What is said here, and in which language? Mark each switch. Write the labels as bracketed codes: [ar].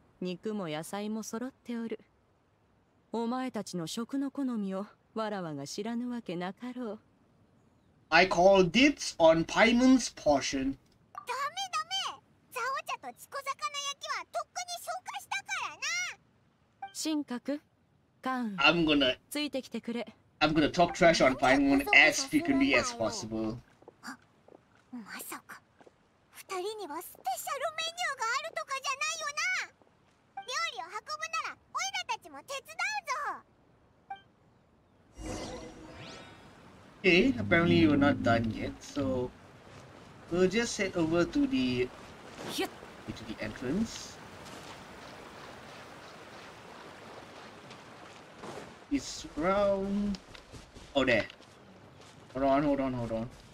[ja] 肉も野菜も揃っておる。お前たちの食の好みをわらわが知らぬわけなかろう。 [en] I call dibs on Paimon's portion. [ja] ダメダメ！ザオ茶とチコ魚焼きはとっくに消化したからな。神格、カン、 [en] I'm gonna [ja] ついてきてくれ。 [en] I'm gonna talk trash on Paimon as frequently as possible. [ja] まさか、二人にはスペシャルメニューがあるとかじゃないよな。料理を運ぶなら、オイラたちも手伝うぞ。 [en] Okay, apparently you're not done yet, so we'll just head over to the entrance. It's round. Oh, there. Hold on.